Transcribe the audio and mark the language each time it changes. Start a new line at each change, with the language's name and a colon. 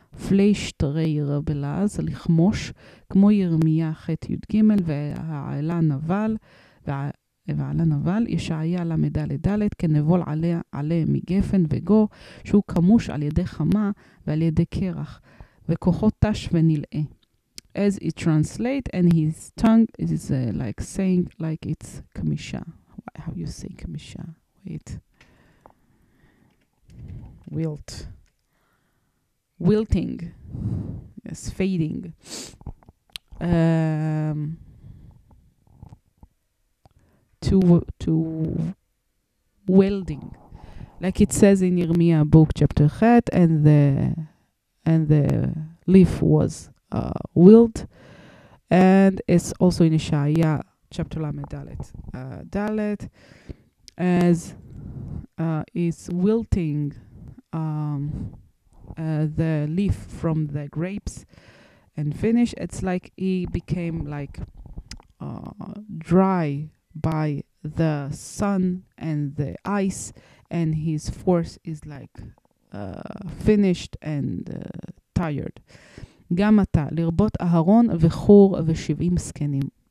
Hebrew: פלייש טרייר בלעז, לכמוש, כמו ירמיה ח' י' ג' והעלה נבל, ישעיה למדה לדלת, כנבול עלה מגפן וגו, שהוא כמוש על ידי חמה ועל ידי קרח, וכוחו תש ונלאה.
English: As it translates, and his tongue is like saying, like it's כמישה. How you say כמישה? Wait. Wilt. Wilting, yes, fading. To welding, like it says in Yirmiyah book chapter 8, and the leaf was wilt, and it's also in Ishaya chapter Lamed Dalet, as is wilting. The leaf from the grapes and finish, it's like he became like dry by the sun and the ice, and his force is like finished and tired.
Hebrew: גם אתה לרבות אהרון וחור ושבעים סקנים.